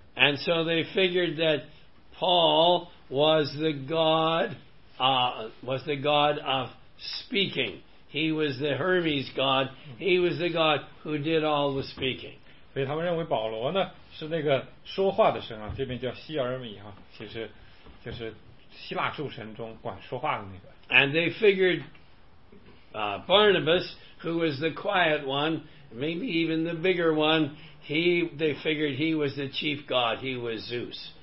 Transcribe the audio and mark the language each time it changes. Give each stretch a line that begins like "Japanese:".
English: And so they figured that Paul was the god, of speaking. He was the Hermes god. He was the god who did all the speaking.
Chinese: 所以他们认为保罗呢是那个说话的神啊，这边叫希尔米哈，其实就是希腊诸神中管说话的那个。
English: And they figured Barnabas, who was the quiet one, maybe even the bigger one, they figured he was the chief god, he was Zeus.